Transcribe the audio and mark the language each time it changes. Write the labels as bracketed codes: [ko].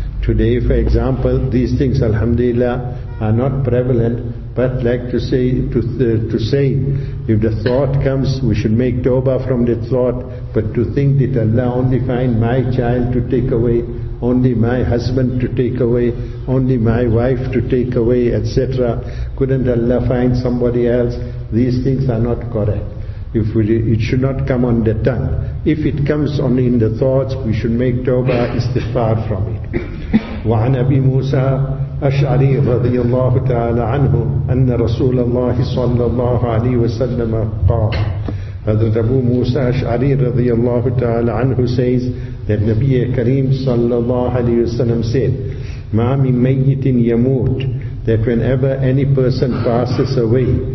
[en] Today, for example, these things, alhamdulillah, are not prevalent, but like to say, to say, if the thought comes, we should make tawbah from the thought, but to think that Allah only find my child to take away, only my husband to take away, only my wife to take away, etc. Couldn't Allah find somebody else? These things are not correct. It should not come on the tongue. If it comes on in the thoughts, we should make tawbah, istighfar from it. [ar] وعن أبي موسى أشعري رضي الله تعالى عنه أن رسول الله صلى الله عليه وسلم قال. [en] Hazrat Abu Musa Ash'ari radiyallahu ta'ala anhu says that Nabiya Kareem sallallahu alayhi wa sallam said, [ar] مَا مِن مَيِّتٍ يَمُوتْ, [en] that whenever any person passes away,